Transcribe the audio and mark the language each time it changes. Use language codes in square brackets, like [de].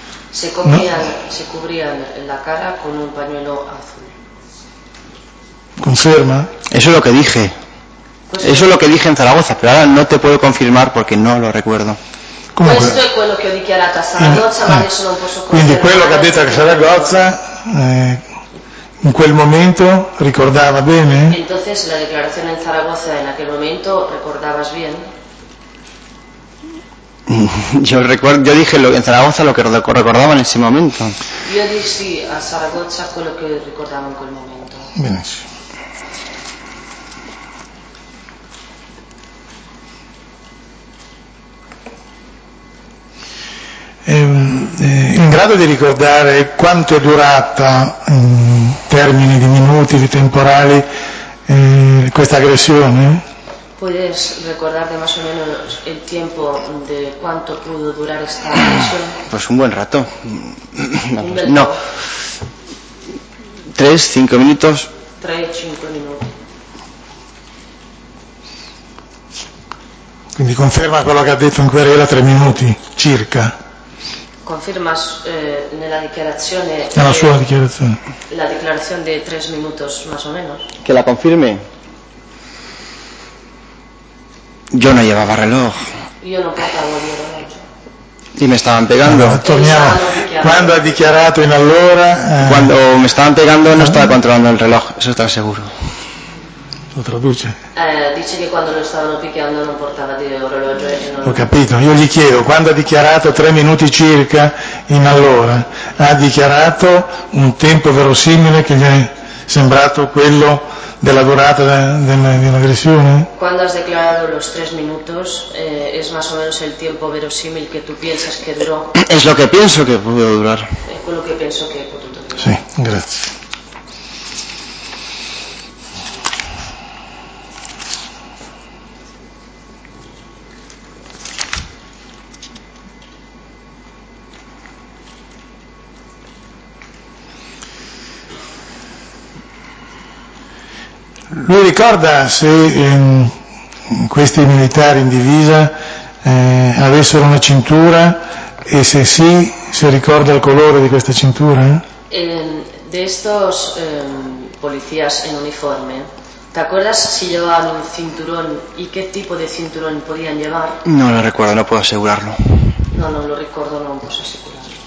[es] Si cubrían la cara con un pañuelo azul. [it] Conferma? [es] Eso es lo que dije. Eso es lo que dije en Zaragoza, pero ahora no te puedo confirmar porque no lo recuerdo. ¿Cómo? Esto es lo que he [it] dichiarato a Zaragoza, ma adesso non posso. Quindi quello che ha detto a Zaragoza in quel momento ricordava bene? [es] Entonces la declaración en Zaragoza en aquel momento recordabas bien. Yo dije lo en Zaragoza lo que recordaba en ese momento. Yo dije [it] a Zaragoza quello che ricordavo in quel momento. Benissimo. In grado di ricordare quanto è durata in termini di minuti, di temporali questa aggressione? [es] Puedes recordarte más o menos el tiempo de cuánto pudo durar esta agresión? Pues un buen rato. No. 3-5 minutos. [it] 3-5 minuti. Quindi conferma quello che ha detto in querela 3 minuti circa. Conferma nella dichiarazione. Nella sua dichiarazione. La dichiarazione di 3 minuti, [es] más o menos. [it] Che la confermi? Io non [es] llevaba reloj. [it] Io non portavo il reloj. [es] Y me estaban pegando. [it] Torniamo. Quando ha dichiarato in allora. Quando mi stavano pegando, non stava controllando il reloj, [es] eso está seguro. [it] Lo traduce. Dice che quando lo stavano picchiando non portava di orologio. Ho capito, io gli chiedo, quando ha dichiarato 3 minuti circa in allora, ha dichiarato un tempo verosimile che gli è sembrato quello della durata dell'aggressione? [es] Quando has [it] declarato [es] los 3 minuti, es más o menos el tiempo verosímil que tú piensas que duró. Es lo que pienso que pudo durar. [it] È quello che penso che ha potuto durare. Sì, grazie. Lui ricorda se questi militari in divisa avessero una cintura e se sì, se ricorda il colore di questa cintura? [es] De estos policías en uniforme, ¿te acuerdas si llevaban un cinturón y qué tipo de cinturón podían llevar? No lo recuerdo, no puedo asegurarlo. No, no lo recuerdo, no puedo asegurarlo.